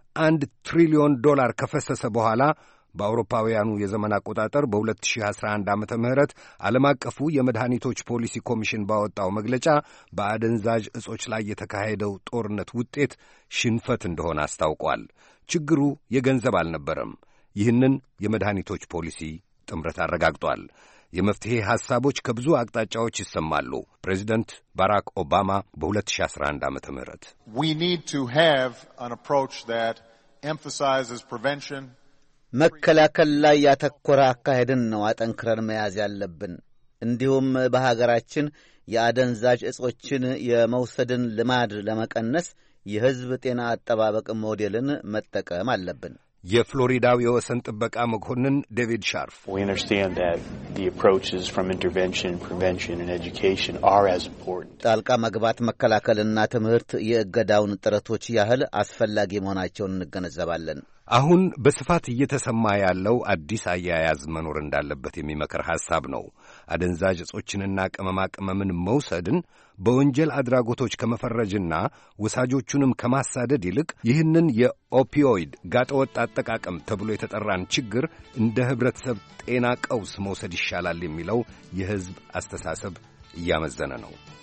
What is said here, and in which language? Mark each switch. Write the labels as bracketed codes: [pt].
[am] 1 ትሪሊዮን ዶላር ከፈሰሰ በኋላ በአውሮፓውያኑ የዘመን አቆጣጠር በ2011 ዓመተ ምህረት ዓለም አቀፉ የመድኃኒቶች ፖሊሲ ኮሚሽን ባወጣው መግለጫ በአደንዛዥ እጾች ላይ የተካሄደው ጦርነት ውጤት ሽንፈት እንደሆነ አስታውቋል። ችግሩ የገንዘብ አልነበረም። ይህንን የመድኃኒቶች ፖሊሲ ጥምረት አረጋግጧል። የመፍትሄ ሐሳቦች ከብዙ አቅጣጫዎች ይሰማሉ። ፕሬዚደንት ባራክ ኦባማ በ2011 ዓመተ ምህረት [en] We need to have an approach that emphasizes prevention [am] መከላከል ላይ ያተኮረ አካሄድን ነው አጠንክረን መያዝ ያለብን። እንዲሁም በሀገራችን የአደንዛዥ እጾችን የመውሰድን ልማድ ለመቀነስ የህዝብ ጤና አጠባበቅ ሞዴልን መጠቀም አለብን። የፍሎሪዳው የወሰን ጥበቃ መኮንን ዴቪድ ሻርፍ [en] We understand that the approaches from intervention, prevention and education are as important. [am] ጣልቃ መግባት መከላከልና ትምህርት የእገዳውን ጥረቶች ያህል አስፈላጊ መሆናቸውን እንገነዘባለን። አሁን በስፋት እየተሰማ ያለው አዲስ አያያዝ መኖር እንዳለበት የሚመክር ሐሳብ ነው። አደንዛዥ እጾችንና ቅመማ ቅመምን መውሰድን በወንጀል አድራጎቶች ከመፈረጅና ወሳጆቹንም ከማሳደድ ይልቅ ይህንን የኦፒዮይድ ጋጠወጥ አጠቃቀም ተብሎ የተጠራን ችግር እንደ ህብረተሰብ ጤና ቀውስ መውሰድ ይሻላል የሚለው የህዝብ አስተሳሰብ እያመዘነ ነው።